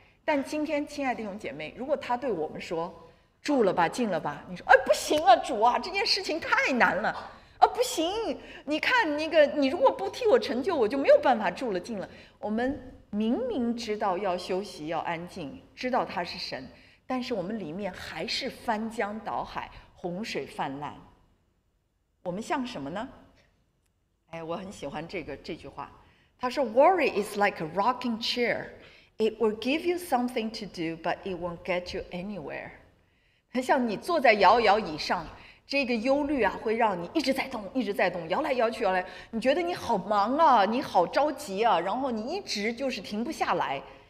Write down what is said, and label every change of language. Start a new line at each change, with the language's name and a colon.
Chinese: 但今天亲爱的弟兄姐妹，如果他对我们说住了吧，静了吧，你说，哎，不行啊，主啊，这件事情太难了啊，不行，你看那个，你如果不替我成就，我就没有办法住了静了。我们明明知道要休息要安静，知道他是神，但是我们里面还是翻江倒海，洪水泛滥。我们像什么呢？哎，我很喜欢这句话，他说
English: worry is like a rocking chair, it will give you something to do but it won't get you anywhere。
Chinese: 很像你坐在摇摇椅上，这个忧虑啊，会让你一直在动，一直在动，摇来摇去，摇来，你觉得你好忙啊，你好着急啊，然后你一直就是停不下来。